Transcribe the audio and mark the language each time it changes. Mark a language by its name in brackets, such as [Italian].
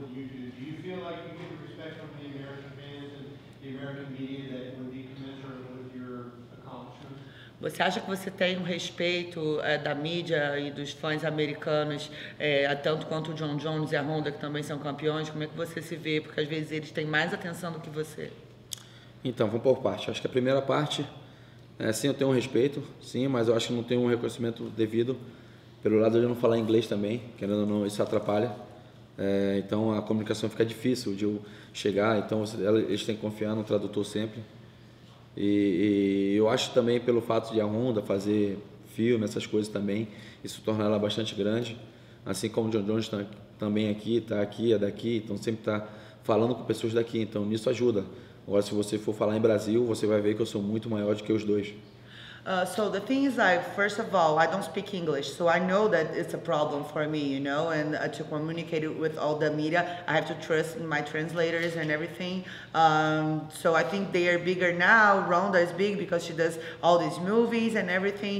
[English] Do you feel like you're respected as a champion? Do you think of John Jones or Ronda Rousey gets all the media attention in the U.S. maybe more than you do? Do you feel like you get respect from the American fans and the American media that would be commensurate with your accomplishments? [Portuguese] Você acha que você tem um respeito da mídia e dos fãs americanos, tanto quanto o John Jones e a Ronda, que também são campeões? Como é que você se vê? Porque às vezes eles têm mais atenção do que você. Então, vamos por parte. Acho que a primeira parte, sim, eu tenho um respeito, sim, mas eu acho que não tenho um reconhecimento devido. Pelo lado de eu não falar inglês também, querendo ou não, isso atrapalha. Então a comunicação fica difícil de eu chegar, então eles têm que confiar no tradutor sempre. E eu acho também pelo fato de a Honda fazer filme, essas coisas também, isso torna ela bastante grande. Assim como o John Jones também aqui, está aqui, é daqui, então sempre está falando com pessoas daqui, então nisso ajuda. Agora se você for falar em Brasil, você vai ver que eu sou muito maior do que os dois. [English] So the thing is, first of all, I don't speak English, so I know that it's a problem for me, you know, and to communicate with all the media, I have to trust in my translators and everything. So I think they are bigger now. Ronda is big because she does all these movies and everything.